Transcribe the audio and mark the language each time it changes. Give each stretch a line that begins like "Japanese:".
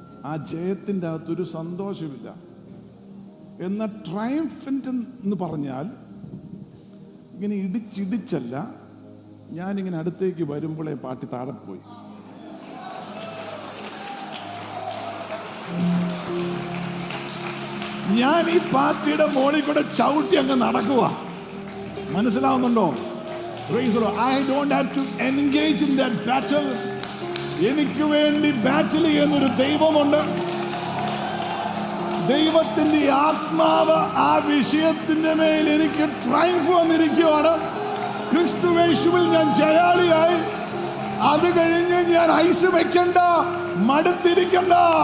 Malayalam: ആ ജയത്തിൻ്റെ അകത്തൊരു സന്തോഷമില്ല. എന്ന ട്രയംഫൻ്റ് എന്ന് പറഞ്ഞാൽ ഇങ്ങനെ ഇടിച്ചിടിച്ചല്ല, ഞാനിങ്ങനെ അടുത്തേക്ക് വരുമ്പോഴേ പാട്ടി താഴെപ്പോയി. ഞാൻ ഈ പാർട്ടിയുടെ മോളിൽ കൂടെ ചവിട്ടി അങ്ങ് നടക്കുക. മനസ്സിലാവുന്നുണ്ടോ?
English: I don't have to engage in that battle.
Malayalam: എനിക്ക് വേണ്ടി ബാറ്റിൽ ചെയ്യുന്നൊരു ദൈവമുണ്ട്. ദൈവത്തിന്റെ ആത്മാവ് ആ വിഷയത്തിന്റെ മേൽ എനിക്ക് ട്രയംഫ് വന്നിരിക്കുകയാണ്. ക്രിസ്തുവേശുവിൽ ഞാൻ ജയാളിയായി. അത് കഴിഞ്ഞ് ഞാൻ ഐസ് വെക്കണ്ട, മടുത്തിരിക്കണ്ട.